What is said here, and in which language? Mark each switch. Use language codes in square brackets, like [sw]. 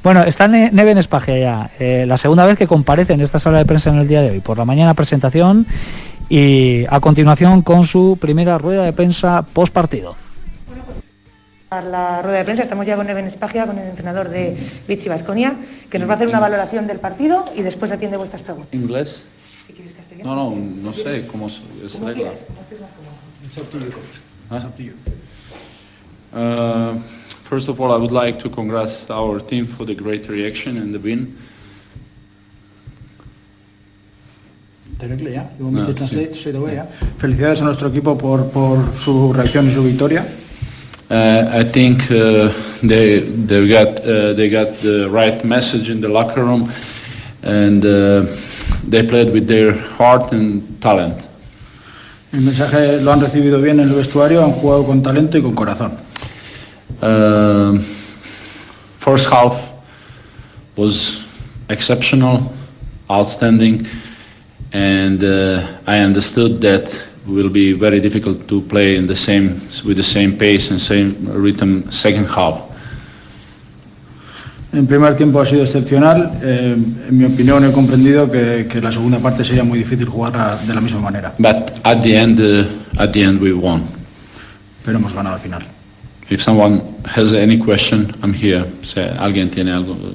[es] Bueno, está Neven Espagia ya, la segunda vez que comparece en esta sala de prensa en el día de hoy. Por la mañana presentación y a continuación con su primera rueda de prensa post partido. La rueda de prensa, estamos ya con Neven Espagia, con el entrenador de Vitxi Baskonia, que nos va a hacer una valoración del partido y después atiende vuestras preguntas. ¿Inglés? ¿Si quieres castellano? No, no, no sé cómo es la regla. [en] It's up to you, coach. It's up to you. First of all, I would like to congrats our team for the great reaction and the win. Terrible, ¿ya? You want me to translate straight away, ¿ya? [es] Felicidades a nuestro equipo por su reacción y su victoria. [en] I think they got the right message in the locker room, and they played with their heart and talent. [es] El mensaje lo han recibido bien en el vestuario, han jugado con talento y con corazón. [en] First half was exceptional, outstanding, and I understood that will be very difficult to play in the same with the same pace and same rhythm second half. [es] En primer tiempo ha sido excepcional, en mi opinión he comprendido que la segunda parte sería muy difícil jugarla de la misma manera. [en] But at the end we won. [es] Pero hemos ganado al final. [en] If someone has any question, I'm here. [es] Si alguien tiene algo,